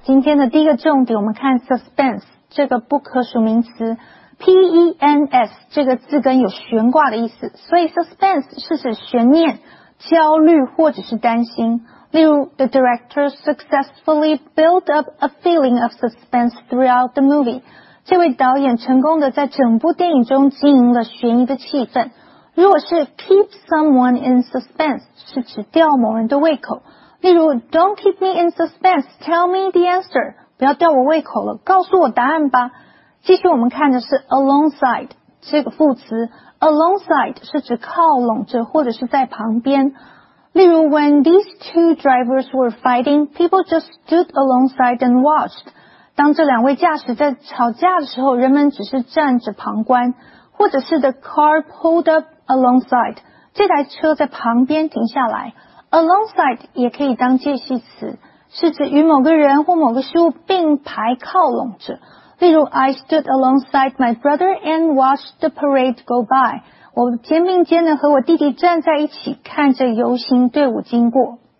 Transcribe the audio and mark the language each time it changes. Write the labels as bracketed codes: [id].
[zh] 今天的第一个重点我们看 suspense, 这个不可数名词 ,P-E-N-S, 这个字根有悬挂的意思。所以 suspense 是指悬念、焦虑或者是担心。 [en] 例如 ,the director successfully built up a feeling of suspense throughout the movie. [zh] 这位导演成功的在整部电影中经营了悬疑的气氛。如果是 [en] keep someone in suspense, [zh] 是指吊某人的胃口。 [en] 例如 Don't keep me in suspense, tell me the answer. [zh] 不要吊我胃口了，告诉我答案吧。继续我们看的是 alongside, 这个副词 alongside 是指靠拢着或者是在旁边。 [en] 例如 When these two drivers were fighting, people just stood alongside and watched. [zh] 当这两位驾驶在吵架的时候，人们只是站着旁观。或者是 [en] The car pulled up alongside, [zh] 这台车在旁边停下来。 Alongside 也可以当介系词，是指与某个人或某个事物并排靠拢着。 [en] 例如 I stood alongside my brother and watched the parade go by. [zh] 我肩并肩的和我弟弟站在一起，看着游行队伍经过。